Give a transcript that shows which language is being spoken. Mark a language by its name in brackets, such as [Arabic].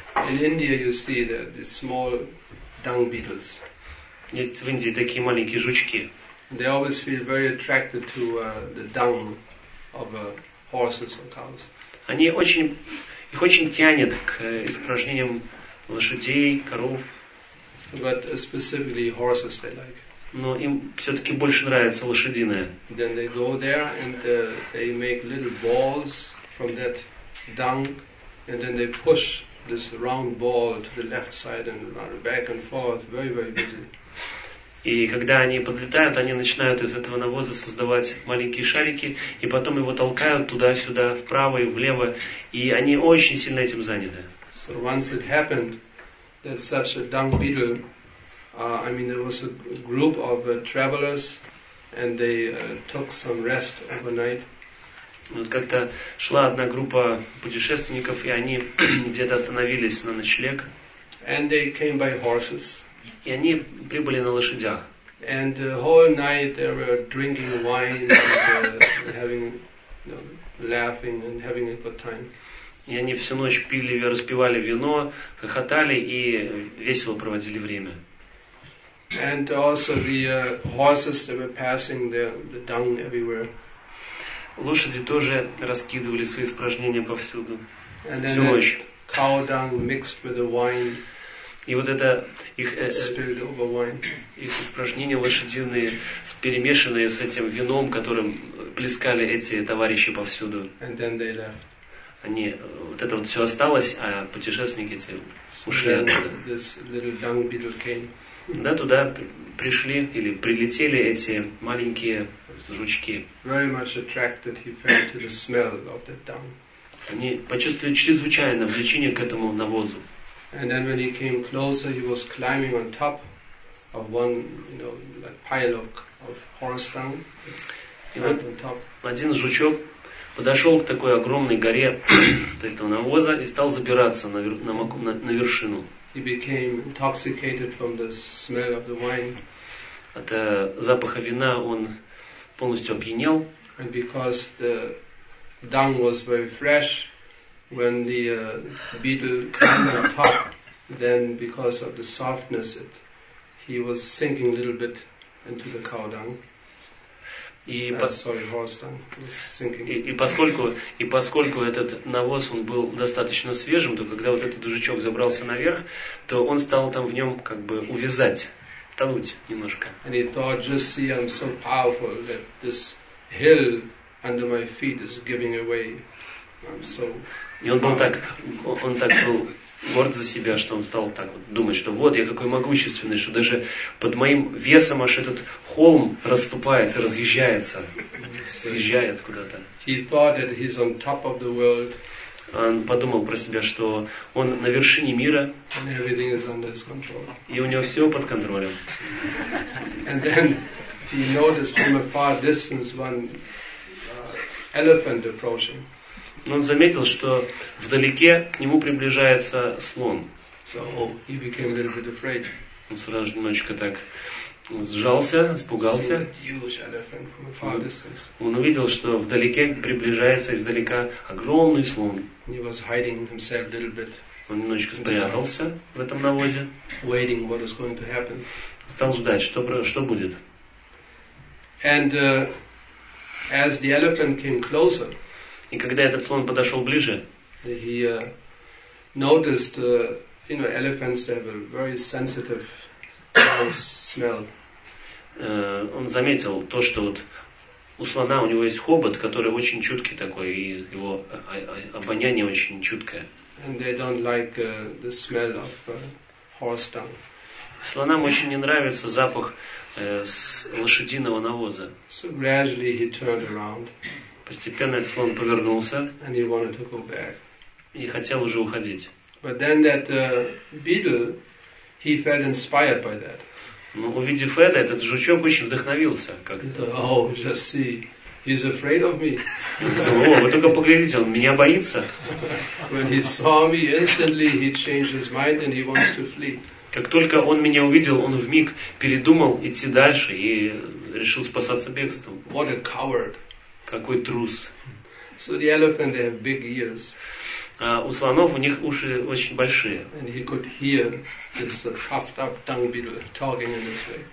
[English] In India, you see that the small dung beetles. [Russian] Есть в Индии такие маленькие жучки. [English] They always feel very attracted to the dung of horses or cows. [Russian] Их очень тянет к испражнениям лошадей, коров. [English] But specifically horses they like. [Russian] Но им все-таки больше нравится лошадиное. [English] Then they go there and they make little balls from that dung, and then they push this round ball to the left side and run back and forth, very very busy. [Russian] И когда они подлетают, они начинают из этого навоза создавать маленькие шарики, и потом его толкают туда-сюда, вправо и влево, и они очень сильно этим заняты. [English] So once it happened that such a dung beetle, there was a group of travelers, and they took some rest overnight. [Russian] Вот как-то шла одна группа путешественников, и они где-то остановились на ночлег. [English] And they came by horses. [Russian] И они прибыли на лошадях. [English] And the whole night they were drinking wine and having, laughing and having a good time. [Russian] И они всю ночь пили, распивали вино, хохотали и весело проводили время. [English] And also the horses that were passing the dung everywhere. [Russian] Лошади тоже раскидывали свои испражнения повсюду. [English] And then [Russian] всю ночь. [English] Cow dung mixed with the wine. [Russian] И вот это их, их испражнения лошадиные, перемешанные с этим вином, которым плескали эти товарищи повсюду. [English] And then they left. [Russian] Они, вот это вот все осталось, а путешественники эти ушли оттуда. [English] This little dung beetle came. [Russian] Да, туда пришли или прилетели эти маленькие жучки. [English] Very much attracted, he felt to the smell of that dung. [Russian] Они почувствовали чрезвычайное влечение к этому навозу. [English] And then when he came closer, he was climbing on top of one, like pile of horse dung. [Russian] Один жучок подошел к такой огромной горе этого навоза и стал забираться на вершину. [English] He became intoxicated from the smell of the wine. [Russian] От запаха вина он полностью опьянел. [English] And because the dung was very fresh, when the beetle climbed on top, then because of the softness, he was sinking a little bit into the cow dung. Horse dung was sinking. [Russian] И поскольку этот навоз он был достаточно свежим, то когда вот этот жучок забрался наверх, то он стал там в нем как бы увязать, тонуть немножко. [English] And he thought, just see, I'm so powerful that this hill under my feet is giving away. [Russian] И он так был горд за себя, что он стал так вот думать, что вот я какой могущественный, что даже под моим весом аж этот холм расступается, разъезжается, съезжает куда-то. [English] He thought that he's on top of the world. [Russian] Он подумал про себя, что он на вершине мира, [English] and everything is under his control. [Russian] И у него все под контролем. [English] And then he noticed from a far distance one elephant approaching. [Russian] Но он заметил, что вдалеке к нему приближается слон. [English] So he became a little bit afraid. [Russian] Он сразу же немножечко так сжался, испугался. [English] Huge elephant from a far distance. [Russian] Он увидел, что вдалеке приближается издалека огромный слон. [English] He was hiding himself a little bit. [Russian] Он немножечко спрятался в этом навозе. [English] Waiting what is going to happen. [Russian] Стал ждать, что будет. [English] And as the elephant came closer, [Russian] и когда этот слон подошел ближе, [English] he noticed, elephants have a very sensitive smell. [Russian] Он заметил то, что вот у слона у него есть хобот, который очень чуткий такой, и его обоняние очень чуткое. [English] And they don't like the smell of horse dung. [Russian] Слонам очень не нравится запах лошадиного навоза. [English] So gradually he turned around. [Russian] Постепенно этот слон повернулся. [English] And he wanted to go back. [Russian] И хотел уже уходить. [English] But then that beetle, he felt inspired by that. [Russian] Но увидев это, этот жучок очень вдохновился. Как-то. [English] He said, oh, just see, he's afraid of me. [Russian] О, вы только поглядите, он меня боится. [English] When he saw me, instantly he changed his mind and he wants to flee. [Russian] Как только он меня увидел, он вмиг передумал идти дальше и решил спасаться бегством. [English] What a coward. [Russian] Какой трус. [English] So the elephant, they have big ears. [Russian] А у слонов у них уши очень большие. [English] And he could hear this puffed up dung beetle talking in this way.